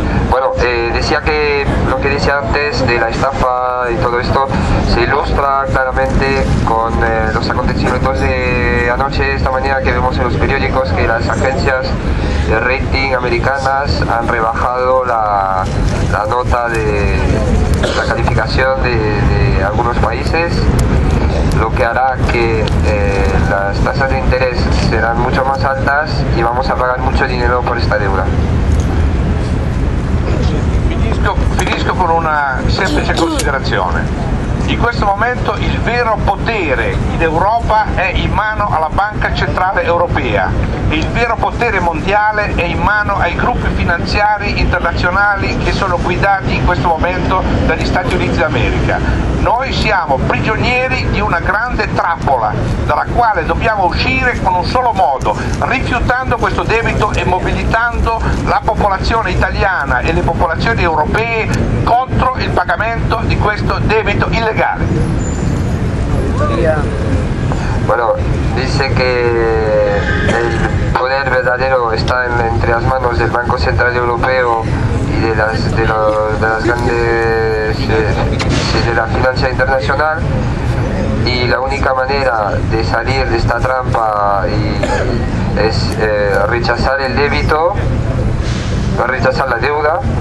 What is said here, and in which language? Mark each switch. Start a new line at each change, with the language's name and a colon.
Spanish: Bueno, decía que lo que decía antes de la estafa y todo esto se ilustra claramente con los acontecimientos de anoche, esta mañana que vemos en los periódicos que las agencias de rating americanas han rebajado la nota de la calificación de algunos países, lo que hará que las tasas de interés serán mucho más altas y vamos a pagar mucho dinero por esta deuda.
Italian: Finisco con una semplice considerazione. In questo momento il vero potere in Europa è in mano alla Banca Centrale Europea e il vero potere mondiale è in mano ai gruppi finanziari internazionali che sono guidati in questo momento dagli Stati Uniti d'America. Noi siamo prigionieri di una grande trappola dalla quale dobbiamo uscire con un solo modo, rifiutando questo debito e mobilitando la popolazione italiana e le popolazioni europee contro il pagamento di questo debito illegale.
Spanish: Bueno, dice que el poder verdadero está entre las manos del Banco Central Europeo y de las grandes de la financia internacional, y la única manera de salir de esta trampa es rechazar el débito, rechazar la deuda.